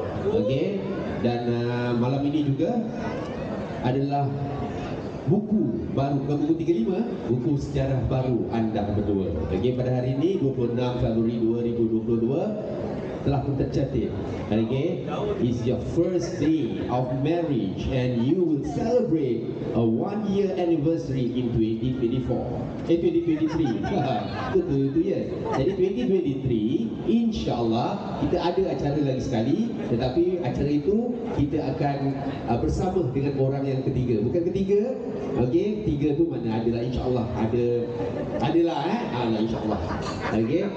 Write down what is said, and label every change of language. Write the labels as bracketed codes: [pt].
[ms] Okey, dan malam ini juga adalah buku baru, bukan buku 35, buku sejarah baru anda berdua. Okey, pada hari ini 26 Februari 2022 telah pun tercatat. [en] Okey, is your first day of marriage and you will celebrate a one year anniversary in 2024. [ms] 2023. Betul tu ya. Jadi 2023, insyaAllah kita ada acara lagi sekali, tetapi acara itu kita akan bersama dengan orang yang ketiga. Bukan ketiga. Okey, tiga tu mana adalah insyaAllah. Adalah insyaAllah. Okey.